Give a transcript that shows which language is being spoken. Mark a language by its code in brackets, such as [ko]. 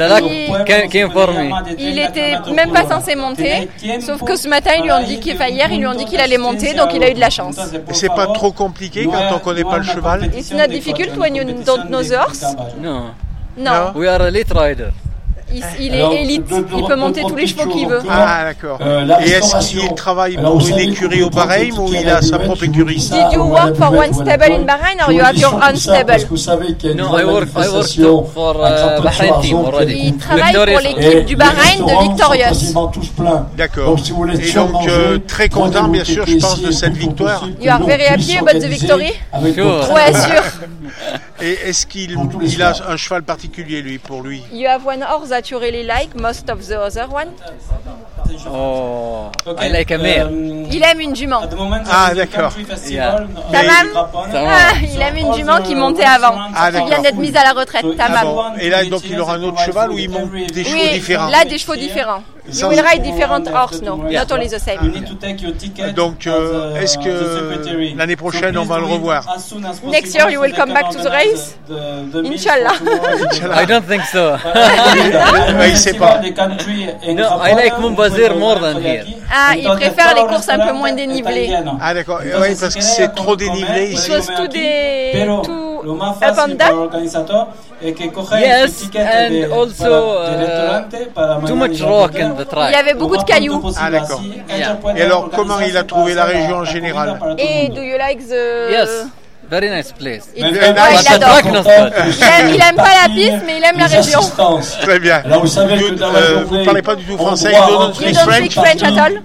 [fr] Il était même pas censé monter, sauf que ce matin, ils lui ont dit qu'il allait monter, donc il a eu de la chance. Et c'est pas trop compliqué quand on connaît pas le cheval? [en] It's not difficult when you don't know the horse. Non. We are elite rider. [fr] Il est élite, il peut monter tous les chevaux qu'il veut. Ah, d'accord. Et est-ce qu'il travaille pour une écurie au Bahreïm ou il a sa propre écurie? [en] Did you work for one stable in Bahreïn or you have your own stable? No, I work for Bahreïn team already. [fr] Il travaille pour l'équipe du Bahreïn de Victorious. D'accord. Et donc, très content, bien sûr, je pense, de cette victoire. [en] You are very happy about the victory? Sure. [fr] Ouais, sûr. Et est-ce qu'il il a un cheval particulier, lui, pour lui? [en] You have one horse that you really like, most of the other one? Oh, I like a mare. [fr] Il aime une jument. Ah, d'accord. Yeah. Tamam. Il aime une jument qui montait avant. Ah, qui vient d'être mise à la retraite, Tamam. Et là, donc, il aura un autre cheval où il monte des chevaux différents? Oui, là, des chevaux différents. [en] You will ride different horse, no? Yeah. Not only the same. [fr] Donc, est-ce que l'année prochaine, on va le revoir? [en] Next year, you will come back to the race? [ar] Inch'Allah. [en] I don't think so. [fr] Mais il ne sait pas. [en] No, I like Mumbazir more than here. [fr] Ah, il préfère les courses un peu moins dénivelées. Ah, d'accord. Oui, parce que c'est trop dénivelé ici. [en] Because [fr] tout est [en] up and down. Yes, and also too much rock in the track. [fr] Il y avait beaucoup de cailloux. Ah, d'accord. Yeah. Et alors, comment il a trouvé la région en général? [en] Et do you like the... Yes, very nice place. [fr] Il aime pas la piste, mais il aime la région. Très bien. Vous parlez pas du tout français? [en] You don't speak French at all?